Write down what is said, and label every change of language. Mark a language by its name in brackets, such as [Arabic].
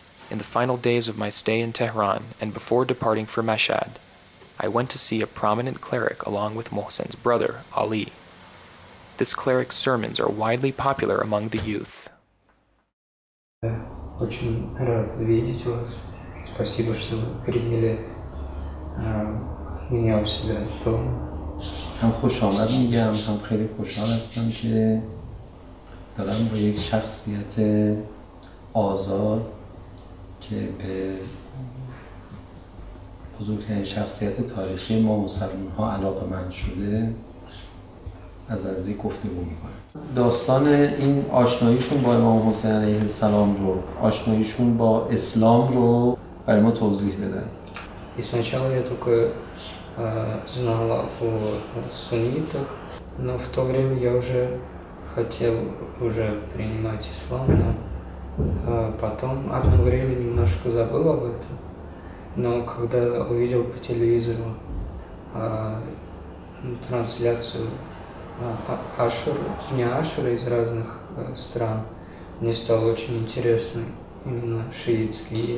[English] in the final days of my stay in Tehran and before departing for Mashhad, I went to see a prominent cleric along with Mohsen's brother, Ali. This cleric's sermons are widely popular among the youth. [Russian] Очень рад видеть вас. Спасибо, что вы приняли меня у себя в дом. [Tajik] Хам хушалад мигам, хам хели хушал астам, ке дарам бо як шахсият азад, ке бе бузургтерин шахсият тарихи ма мусалманха алакаманд шуде, аз наздик гуфтугу мекунам. [Persian] داستان این آشناییشون با امام حسین علیه السلام رو، آشناییشون با اسلام رو برای ما توضیح بدن. [Russian] Изначально я только знала о суннитах, но в то время я уже хотел уже принимать ислам, но потом одно время немножко забыл об этом. Но когда увидел по телевизору трансляцию Ашур, не Ашура из разных стран, мне стало очень интересно именно шиитский.